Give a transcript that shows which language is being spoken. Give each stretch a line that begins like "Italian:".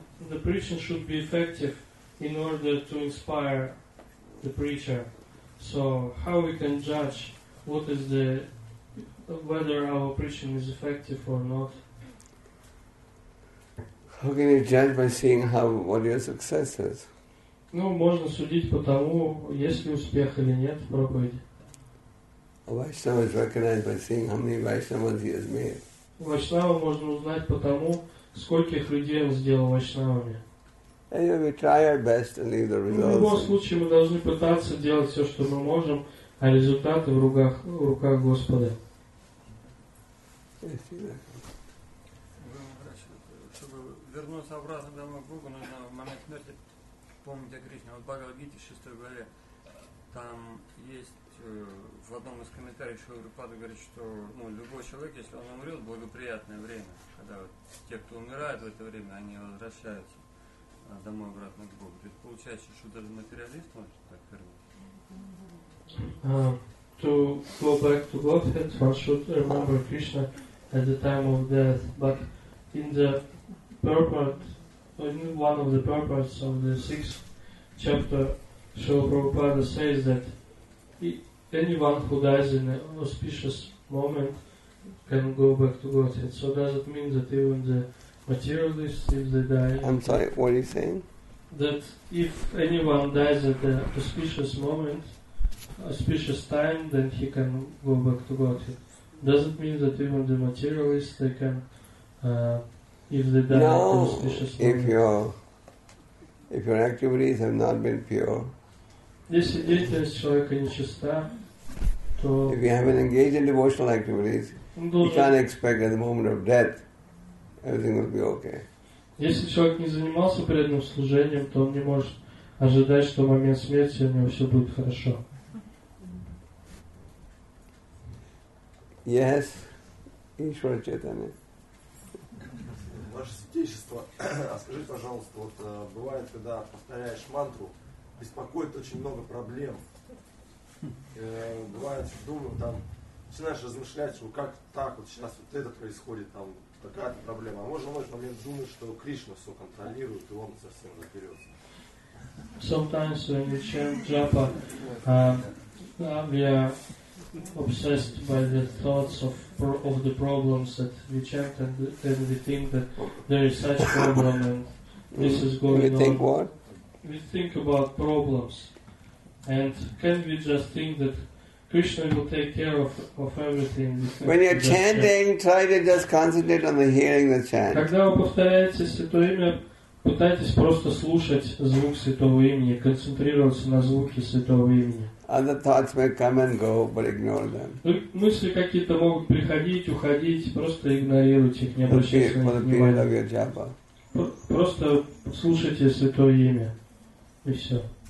English: The preaching should be effective in order to inspire the preacher. So how we can judge what is the whether our preaching is effective or not? How can you judge by seeing what your success is?
Russian: Ну, можно судить по тому, есть ли успех или нет в проповеди.
English: A Vaishnava is recognized by seeing how many Vaishnavas he has made.
Russian: Вайшнава можно узнать по тому, скольких людей он сделал вайшнавами.
English: Anyway, we try our best and leave the results.
Russian: В любом случае, мы должны пытаться делать все, что мы можем, а результаты в руках Господа. Чтобы вернуться обратно домой к Богу, нужно в момент смерти помнить о Кришне. Вот Бхагавад-гите, 6 главе, там есть в одном из комментариев Шрила Прабхупады говорит, что ну, любой человек, если он умрет, благоприятное время. Когда вот те, кто умирают в это время, они возвращаются домой обратно к Богу. То есть получается, что даже материалист может так вернуть.
English: To go back to Godhead, one should remember Krishna at the time of death. But in the purpose, in one of the purposes of the sixth chapter, Srila Prabhupada says that anyone who dies in an auspicious moment can go back to Godhead. So does it mean that even the materialists, if they die... I'm sorry, what are you saying? That if anyone dies at an auspicious moment, auspicious time, then he can go back to Godhead. Does it mean that even the materialists, they can, if they die no, at an auspicious moment... If your activities have not been pure...
Russian: Если деятельность человека нечиста, то...
English: If you haven't engaged in devotional activities, you can't expect at the moment of death everything will be okay.
Russian: Если человек не занимался преданным служением, то он не может ожидать, что в момент смерти у него все будет хорошо.
English: Yes, Ishvara Chaitanya.
Russian: Ваше святейшество, скажите, пожалуйста, вот бывает, когда повторяешь мантру, беспокоит очень много проблем. Бывает, думаю, там, начинаешь размышлять, что как так вот сейчас вот это происходит, там такая-то проблема. А можно в этот момент думать, что Кришна все контролирует, и он совсем разберется.
English: Sometimes when you chant japa, we are obsessed by the thoughts of the problems that we chant, and then we think that there is such problem and this is going on. We think what? We think about problems. And can we just think that Krishna will take care of everything? When you're chanting, try to just concentrate on the hearing the chant.
Russian: Когда вы повторяете святое имя, пытайтесь просто слушать звук святого имени, концентрироваться на звуке святого имени.
English: Other thoughts may come and go, but ignore them.
Russian: Мысли какие-то могут приходить, уходить, просто игнорируйте их, не обращайте на них внимания. Просто слушайте святое имя, и все.